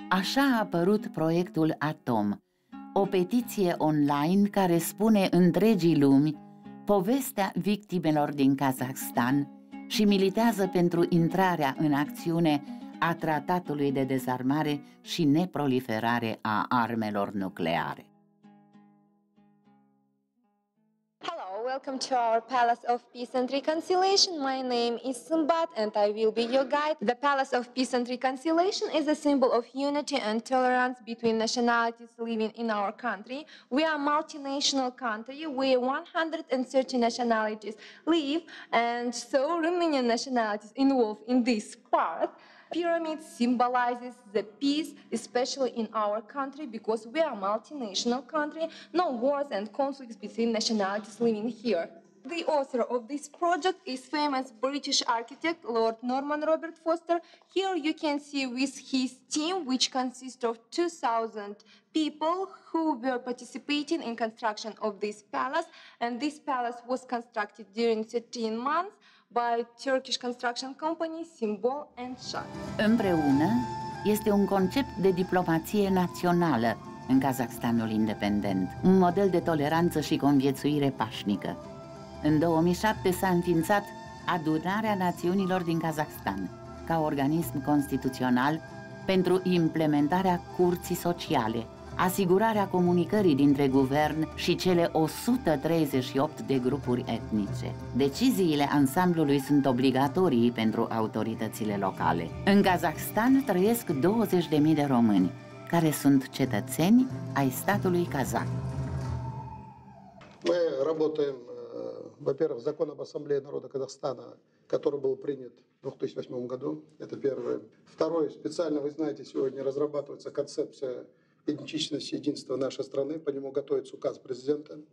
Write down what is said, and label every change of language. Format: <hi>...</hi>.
<ro>Așa a apărut proiectul ATOM, o petiție online care spune întregii lumi povestea victimelor din Kazahstan și militează pentru intrarea în acțiune a Tratatului de Dezarmare și Neproliferare a Armelor Nucleare.</ro> <en>welcome to our Palace of Peace and Reconciliation. My name is Simbat and I will be your guide. The Palace of Peace and Reconciliation is a symbol of unity and tolerance between nationalities living in our country. We are a multinational country where 130 nationalities live, and so Romanian nationalities involved in this part. Pyramid symbolizes the peace, especially in our country, because we are a multinational country, no wars and conflicts between nationalities living here. The author of this project is famous British architect Lord Norman Robert Foster. Here you can see with his team, which consists of 2,000 people who were participating in construction of this palace. And this palace was constructed during 13 months by Turkish construction company Simbol and Shah.</en> <ro>Împreună este un concept de diplomație națională în Kazahstanul independent, un model de toleranță și conviețuire pașnică. În 2007 s-a înființat Adunarea Națiunilor din Kazahstan ca organism constituțional pentru implementarea curții sociale, asigurarea comunicării dintre guvern și cele 138 de grupuri etnice. Deciziile ansamblului sunt obligatorii pentru autoritățile locale. În Kazahstan trăiesc 20.000 de români, care sunt cetățeni ai statului Kazah. Noi</ro> <ru>работаем, во-первых, закон об Ассамблее народа Казахстана, который был принят в 2008 году. Это первое. Второе, специально, вы знаете, сегодня разрабатывается концепция идентичности, единства нашей страны, по нему готовится указ президента.</ru>